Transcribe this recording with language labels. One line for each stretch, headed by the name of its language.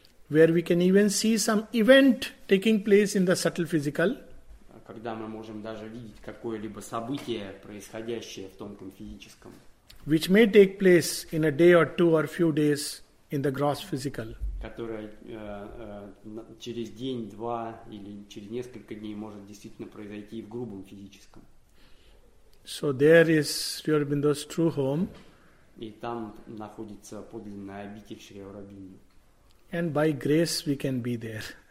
English: where we can even see some event taking place in the subtle physical,
Russian: когда мы можем даже видеть какое-либо событие, происходящее в тонком физическом,
English: which may take place in a day or two or few days in the gross physical,
Russian: которое через день-два или через несколько дней может действительно произойти и в грубом физическом.
English: So there is Sri Aurobindo's true home.
Russian: И там находится подлинная обитель Шри Аурабинды.
English: And by grace we can be there.